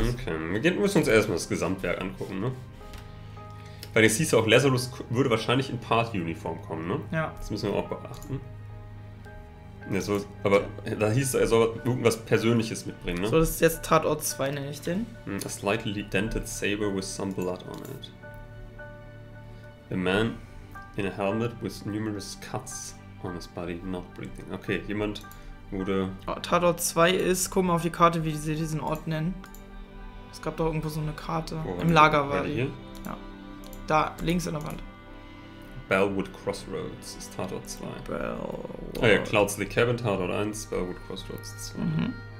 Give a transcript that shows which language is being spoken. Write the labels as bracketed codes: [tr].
[de] Okay, wir müssen uns erstmal das Gesamtwerk angucken, ne? Weil jetzt hieß ja auch, Lazarus würde wahrscheinlich in Party-Uniform kommen, ne? Ja. Das müssen wir auch beachten. Ja, so, aber da hieß er soll irgendwas Persönliches mitbringen, ne? So, das ist jetzt Tatort 2, nenne ich den. [en] A slightly dented saber with some blood on it. A man in a helmet with numerous cuts On his body, not breathing. [de] Okay, jemand wurde... Tatort 2 ist, guck mal auf die Karte, wie sie diesen Ort nennen. Es gab doch irgendwo so eine Karte. Oh, im Lager war die. Hier? Ja. Da, links an der Wand. Bellwood Crossroads ist Tatort 2. Bellwood. Ah ja, Cloudsley Cabin, Tatort 1, Bellwood Crossroads 2. Mhm.